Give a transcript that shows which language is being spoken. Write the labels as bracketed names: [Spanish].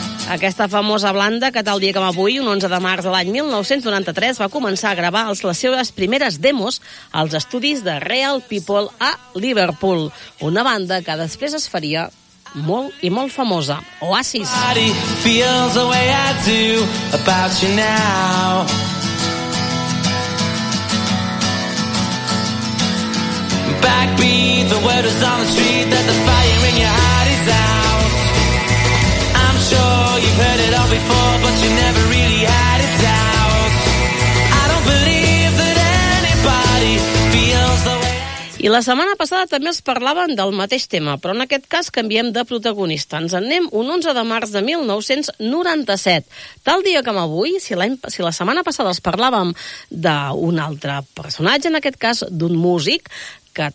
[Catalan] Aquesta famosa banda que tal dia com avui, un 11 de març de l'any 1993, va començar a gravar les seves primeres demos als estudis de Real People a Liverpool, una banda que després es faria molt i molt famosa, Oasis. [English] Nobody feels the way I do about you now. Backbeat, the word is on the street that the fire in your heart is out. I'm sure you've heard it all before, but you never really had it out. I don't believe that anybody feels the way. [Catalan] I la setmana passada també es parlaven del mateix tema, però en aquest cas canviem de protagonista. Ens anem un 11 de març de 1997. Tal dia com avui, si la setmana passada es parlàvem d'un altre personatge, en aquest cas d'un músic, Mèdica.